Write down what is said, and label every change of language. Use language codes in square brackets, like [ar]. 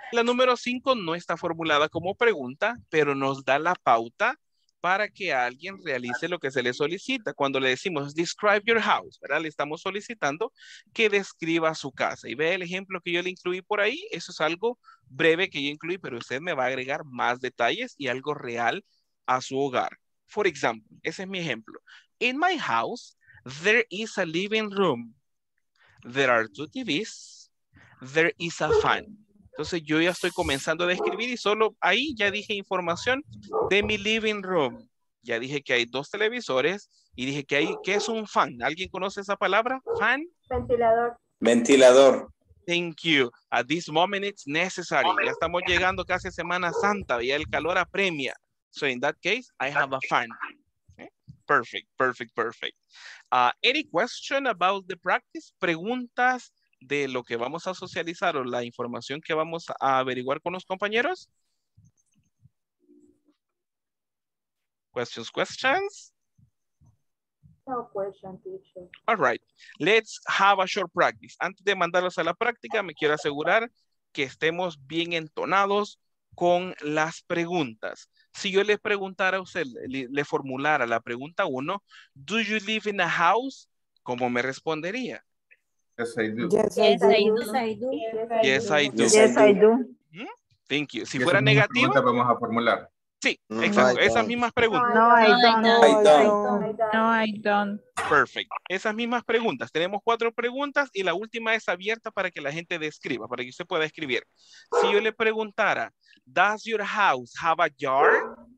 [es] La número cinco no está formulada como pregunta, pero nos da la pauta para que alguien realice lo que se le solicita. Cuando le decimos [en] describe your house, [es] ¿verdad? Le estamos solicitando que describa su casa. Y ve el ejemplo que yo le incluí por ahí. Eso es algo breve que yo incluí, pero usted me va a agregar más detalles y algo real a su hogar. [en] For example, [es] ese es mi ejemplo. [en] In my house, there is a living room. There are two TVs. There is a fan. [es] Entonces yo ya estoy comenzando a describir y solo ahí ya dije información de mi living room. Ya dije que hay dos televisores y dije que hay, ¿qué es un fan? ¿Alguien conoce esa palabra? ¿Fan? Ventilador. Ventilador. [en] Thank you. At this moment it's necessary. [es] Ya estamos llegando casi a Semana Santa y el calor apremia. [en] So in that case, I have a fan. Perfect, perfect, perfect. Any question about the practice? [es] ¿Preguntas de lo que vamos a socializar o la información que vamos a averiguar con los compañeros? [en] Questions, questions? No question, teacher. All right. Let's have a short practice. [es] Antes de mandarlos a la práctica, me quiero asegurar que estemos bien entonados con las preguntas. Si yo le preguntara a usted, le formulara la pregunta uno, [en] do you live in a house? [es] ¿Cómo me respondería? [en] Yes, I do. Thank you. [es] Si fuera negativo. ¿Cuánto vamos a formular? Sí, exacto. Esas mismas preguntas. [en] No, I don't. [es] Perfect. Esas mismas preguntas. Tenemos cuatro preguntas y la última es abierta para que la gente describa, para que usted pueda escribir. Si yo le preguntara, [en] does your house have a yard?